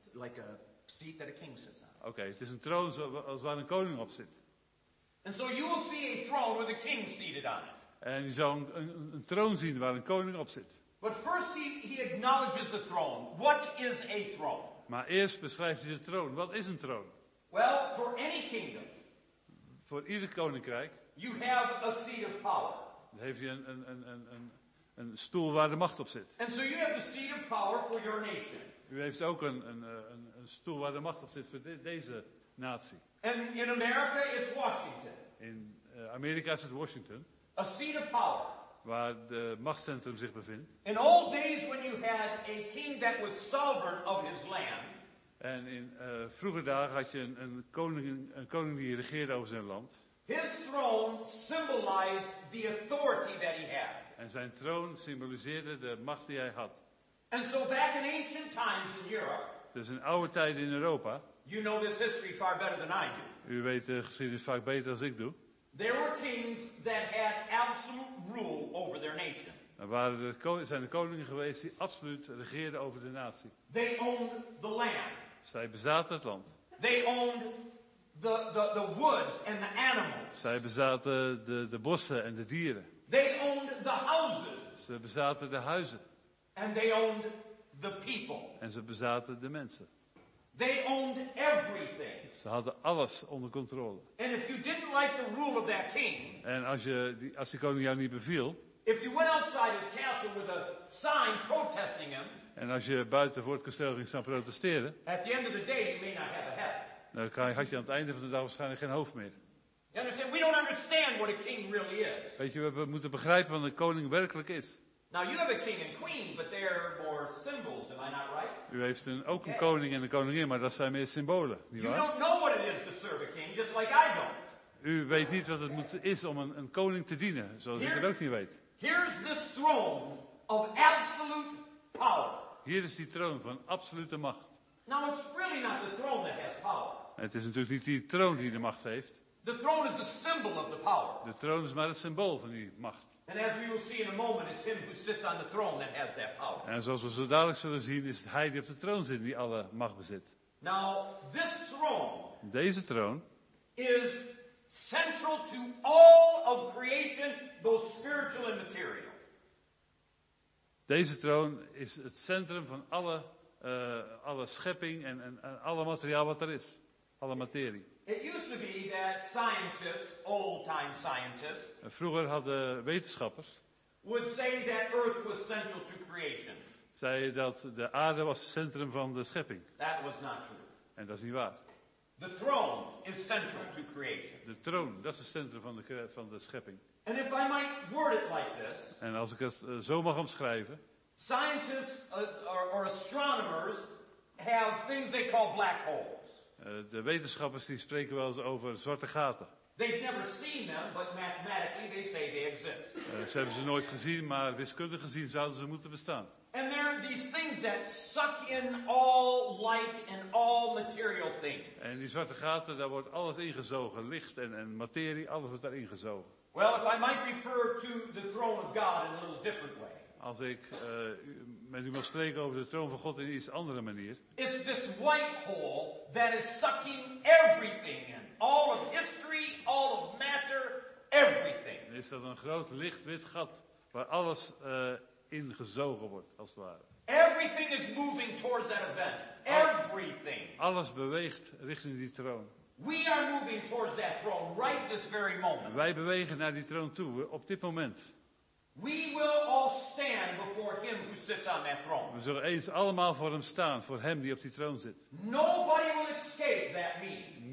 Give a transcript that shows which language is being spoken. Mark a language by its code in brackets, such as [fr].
[en] Like a seat that a king sits on. [nl] Okay, het is een troon als waar een koning op zit. [en] And so you will see a throne with a king seated on it. [nl] En je zal een troon zien waar een koning op zit. [en] But first he acknowledges the throne. What is a throne? [nl] Maar eerst beschrijft hij de troon. Wat is een troon? [en] Well, for any kingdom. [nl] Voor ieder koninkrijk. [en] You have a seat of power. [nl] Dan heeft hij een stoel waar de macht op zit. [en] And so you have the seat of power for your nation. [nl] U heeft ook een stoel waar de macht op zit voor deze natie. [en] And in America it's Washington. [nl] In Amerika is het Washington. [en] A seat of power. [nl] Waar de machtscentrum zich bevindt. [en] In old days when you had a king that was sovereign of his land. [nl] En in vroege dagen had je een koning die regeerde over zijn land. [en] His throne symbolized the authority that he had. [nl] En zijn troon symboliseerde de macht die hij had. [en] And so back in ancient times in Europe, [nl] dus in oude tijden in Europa. [en] You know this history far better than I do. [nl] U weet de geschiedenis vaak beter dan ik doe. [en] There were kings that had absolute rule over their nation. [nl] Zijn er koningen geweest die absoluut regeerden over de natie. [en] They owned the land. [nl] Zij bezaten het land. [en] They owned the woods and the animals. [nl] Zij bezaten de bossen en de dieren. [en] They owned the houses. [nl] Ze bezaten de huizen. [en] And they owned the people. [nl] En ze bezaten de mensen. [en] They owned everything. [nl] Ze hadden alles onder controle. [en] And if you didn't like the rule of that king, [nl] en als die koning jou niet beviel, [en] if you went outside his castle with a sign protesting him, [nl] en als je buiten voor het kasteel ging staan protesteren, [en] at the end of the day you may not have a head. [nl] Dan had je aan het einde van de dag waarschijnlijk geen hoofd meer. [en] We don't understand what a king really is. [nl] Weet je, we moeten begrijpen wat een koning werkelijk is. [en] Now you have a king and queen, but they're more symbols, am I not right? [nl] U heeft ook een koning en een koningin, maar dat zijn meer symbolen, niet waar? [en] You don't know what it is to serve a king, just like I don't. [nl] U weet niet wat het is om een koning te dienen, zoals ik het ook niet weet. [en] Here's this throne of absolute power. [nl] Hier is die troon van absolute macht. [en] Now it's really not the throne that has power. [nl] Het is natuurlijk niet die troon die de macht heeft. [en] The throne is the symbol of the power. [nl] De troon is maar het symbool van die macht. [en] And as we will see in a moment, it's him who sits on the throne that has that power. [nl] En zoals we zo dadelijk zullen zien, is het hij die op de troon zit die alle macht bezit. [en] Now this throne. [nl] Deze troon [en] is central to all of creation, both spiritual and material. [nl] Deze troon is het centrum van alle alle schepping en alle materiaal wat er is. Alle materie. [en] It used to be that scientists, old-time scientists, [nl] vroeger hadden wetenschappers [en] would say that Earth was central to creation. [nl] Zeiden dat de aarde was het centrum van de schepping. [en] That was not true. [nl] En dat is niet waar. [en] The throne is central to creation. [nl] De troon, dat is het centrum van de schepping. [en] And if I might word it like this, [nl] en als ik het zo mag omschrijven, [en] scientists or astronomers have things they call black holes. [nl] De wetenschappers die spreken wel eens over zwarte gaten. [en] They've never seen them, but mathematically they say they exist. [nl] Ze hebben ze nooit gezien, maar wiskundig gezien zouden ze moeten bestaan. [en] And there are these things that suck in all light and all material things. [nl] En die zwarte gaten, daar wordt alles ingezogen, licht en materie, alles wordt daar ingezogen. [en] Well, if I might refer to the throne of God in a little different way. [nl] Als ik met u mag spreken over de troon van God in een iets andere manier. [en] It's this white hole that is sucking everything in. All of history, all of matter, everything. [nl] Dan is dat een groot licht wit gat waar alles ingezogen wordt, als het ware. [en] Everything is moving towards that event. Everything. [nl] Alles beweegt richting die troon. [en] We are moving towards that throne right this very moment. [nl] Wij bewegen naar die troon toe op dit moment. [en] We will all stand before him who sits on that throne. [nl] We zullen eens allemaal voor hem staan, voor hem die op die troon zit. [en] Nobody will escape that meeting.